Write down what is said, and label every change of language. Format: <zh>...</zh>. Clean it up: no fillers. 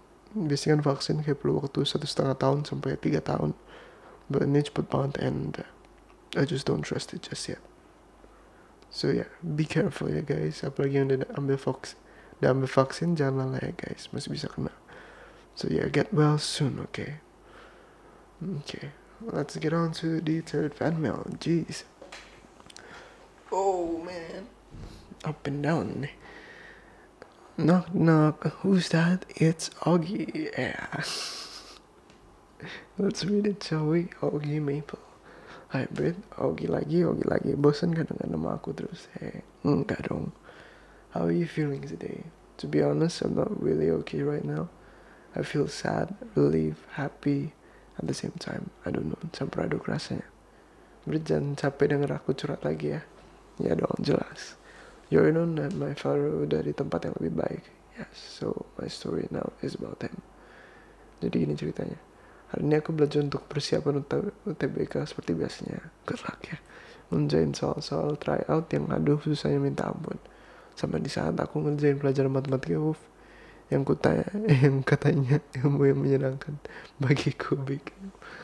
<id>Biasanya kan vaksin kayak perlu waktu 1.5 tahun sampai 3 tahun.</id> <en>But</en> <id>ini cepet banget</id> <en>and I just don't trust it just yet. So yeah, be careful ya guys.</en> <id>Apalagi yang udah ambil vaksin. Dan vaksin jangan lah ya guys, masih bisa kena.</id> <en>So yeah, get well soon, okay? Okay, let's get on to the third fan mail. Jeez. Oh man, up and down. Knock knock, who's that? It's Augie. Yeah. Let's read it, shall we?</en> <id>Augie Maple. Hybrid, Augie lagi, bosan kadang-kadang nama aku terus.</id> <en>Hey,</en> <id>enggak dong.</id> <en>How are you feeling today? To be honest, I'm not really okay right now. I feel sad, relieved, happy at the same time. I don't know,</en> <id>campur aduk rasanya. Berarti jangan capek denger aku curhat lagi ya. Ya dong, jelas.</id> <en>You're known that my father</en> <id>udah di tempat yang lebih baik.</id> <en>Yes, so my story now is about him.</en> <id>Jadi ini ceritanya. Hari ini aku belajar untuk persiapan UTBK seperti biasanya.</id> <en>Good luck</en> <id>ya. Ngerjain soal-soal tryout yang aduh susahnya minta ampun. Sama di saat aku ngerjain pelajaran matematika, uff, yang kutanya, yang katanya ilmu yang menyenangkan bagiku bikin.</id>